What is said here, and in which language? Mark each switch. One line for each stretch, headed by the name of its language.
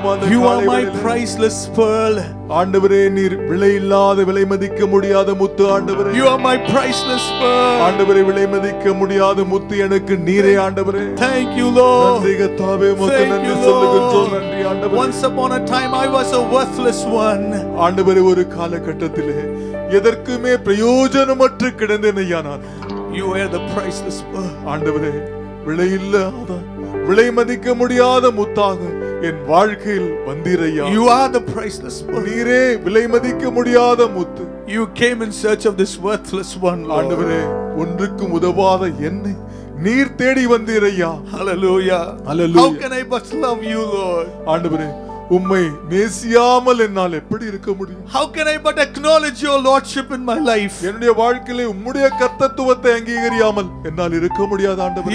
English: You are my priceless pearl.
Tamil: ஆண்டவரே நீர் விலையில்லாத விலை மதிக்க முடியாத முத்து ஆண்டவரே
English: you are my priceless pearl
Tamil: ஆண்டவரே விலை மதிக்க முடியாத முத்து எனக்கு நீரே ஆண்டவரே
English: thank you lord
Tamil: நன்றி கர்த்தாவே உமக்கு நன்றி சொல்லுகிறோம் நன்றி ஆண்டவரே
English: once upon a time I was a worthless one
Tamil: ஆண்டவரே ஒரு காலகட்டத்திலே எதற்குமே பிரயோஜனமற்று கிடந்தேனே நான்
English: you are the priceless pearl
Tamil: ஆண்டவரே விலையில்லாத விலை மதிக்க முடியாத முத்தாக என் வாழ்க்கையில் வந்தீரையா
English: you are the priceless one
Tamil: நீரே விலை மதிக்க முடியாத முத்து
English: you came in search of this worthless one
Tamil: ஆண்டவரே ஒன்றுக்கு உதவாத என்னை நீர் தேடி வந்தீரையா
English: hallelujah hallelujah how can I but love you lord
Tamil: ஆண்டவரே உம்மை நேசியாமல் என்னால் எப்படி இருக்க முடியும்
English: how can I but acknowledge your lordship in my life
Tamil: என்னுடைய வாழ்க்கையிலே உம்முடைய கர்த்தத்துவத்தை அங்கீகரியாமல் என்னால் இருக்க முடியாது ஆண்டவரே